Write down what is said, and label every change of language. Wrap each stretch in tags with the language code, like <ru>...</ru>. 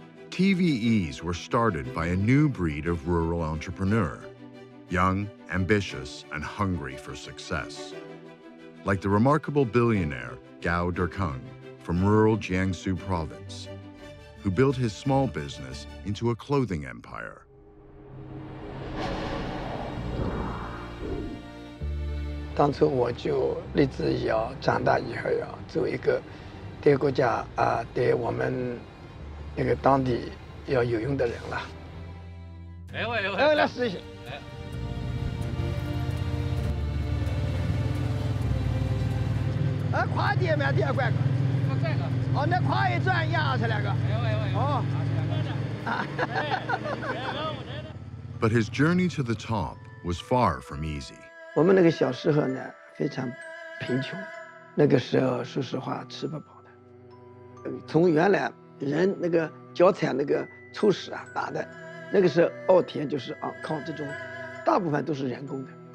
<en>TVEs were started by a new breed of rural entrepreneur, young, ambitious, and hungry for success. Like the remarkable billionaire Gao Derkang from rural Jiangsu province, who built his small business into a clothing empire. At</en> <zh>当初我就立志要长大以后要做一个对国家啊，对我们那个当地要有用的人了。哎喂，哎来试一下。哎，快点，慢点，乖哥。这个。哦，那快一转压下来个。哎喂喂。哦。</zh> <en>But his journey to the top was far from easy.</en> <zh>我们那个小时候呢，非常贫穷，那个时候说实话吃不饱的。从原来人那个脚踩那个粗屎啊打的，那个时候稻田就是啊靠这种，大部分都是人工的。</zh>